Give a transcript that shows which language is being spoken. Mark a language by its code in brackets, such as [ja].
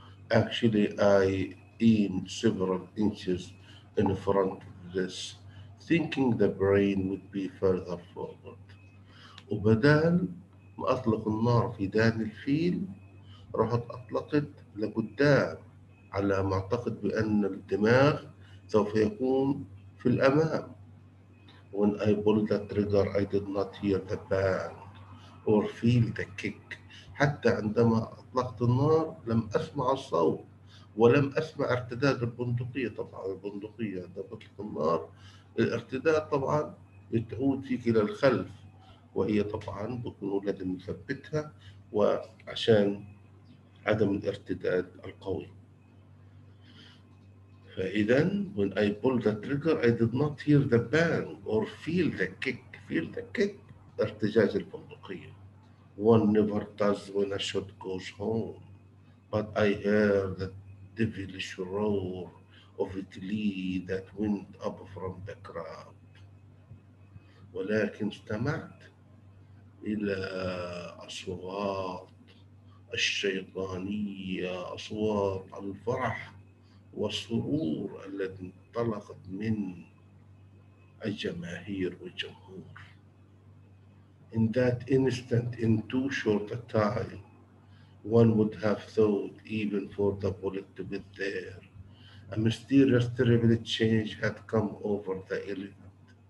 [en] Actually I aimed several inches in front of this thinking the brain would be further forward. [ar] وبدال ما أطلق النار في دان الفيل رحت أطلقت لقدام على ما أعتقد بأن الدماغ سوف يكون في الأمام. [en] When I pulled the trigger I did not hear the bang or feel the kick. [ar] حتى عندما أطلقت النار لم أسمع الصوت ولم أسمع ارتداد البندقية. طبعا البندقية عندما أطلق النار الارتداد طبعا يتعود فيك إلى الخلف, وهي طبعا بكون لدي مثبتها وعشان عدم الارتداد القوي. فإذا [en] when I pulled the trigger I did not hear the bang or feel the kick. Feel the kick [ar] ارتجاج البندقية. [en] One never does when a shot goes home, but I heard the devilish roar of a glee that went up from the crowd. [ar] ولكن استمعت إلى أصوات الشيطانية, أصوات الفرح والسرور التي انطلقت من الجماهير والجمهور. [en] In that instant, in too short a time, one would have thought even for the bullet to be there, a mysterious, terrible change had come over the elephant.